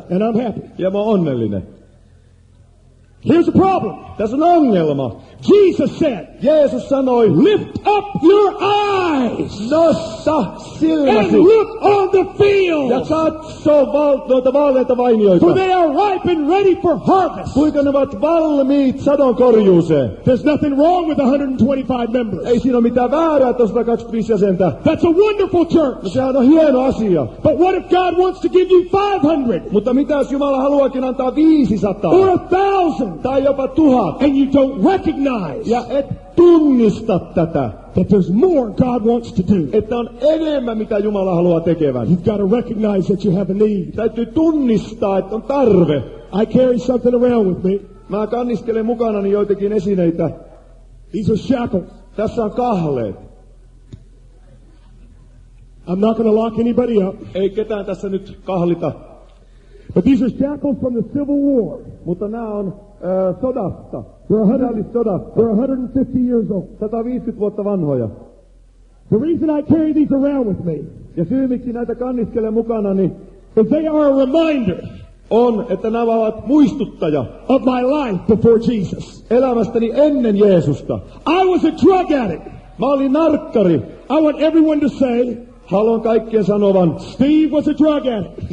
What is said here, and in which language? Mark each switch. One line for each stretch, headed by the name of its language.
English: And I'm happy.
Finnish: Ja mä oon onnellinen.
English: Here's a problem.
Finnish: Tässä on ongelma.
English: Jesus said.
Finnish: Jeesus sanoi.
English: Lift up your eyes.
Finnish: Nosta silmäsi.
English: And look on the field.
Finnish: Ja katso noita vaaleita vainioita.
English: For they are ripe and ready for harvest.
Finnish: Kuinka ne ovat valmiit sadon korjuuseen.
English: There's nothing wrong with 125 members.
Finnish: Ei siinä ole mitään väärää, että on 125 jäsentä.
English: That's a wonderful church.
Finnish: No, sehän on hieno asia.
English: But what if God wants to give you 500?
Finnish: Mutta mitä jos Jumala haluakin antaa 500?
English: Or 1,000?
Finnish: Tai jopa 1,000.
English: And you don't recognize.
Finnish: Ja et tunnista tätä.
English: That there's more God wants to do.
Finnish: Että on enemmän mitä Jumala haluaa tekevän.
English: You've got to recognize that you have a need.
Finnish: Täytyy tunnistaa, että on tarve.
English: I carry something around with me.
Finnish: Mä kanniskelen mukanani joitakin esineitä.
English: These are shackles.
Finnish: Tässä on kahleet.
English: I'm not going to lock anybody up.
Finnish: Ei ketään tässä nyt kahlita.
English: But these are shackles from the Civil War.
Finnish: Mutta nää on sodasta.
English: We're 150 years old.
Finnish: 150 vuotta vanhoja.
English: The reason I carry these around with me.
Finnish: Ja syy miksi näitä kanniskelen mukanani.
English: Is they are a reminder.
Finnish: On, että nämä ovat muistuttaja.
English: Of my life before Jesus.
Finnish: Elämästäni ennen Jeesusta.
English: I was a drug addict.
Finnish: Mä olin narkkari.
English: I want everyone to say.
Finnish: Haluan kaikkien sanovan,
English: Steve was a drug addict.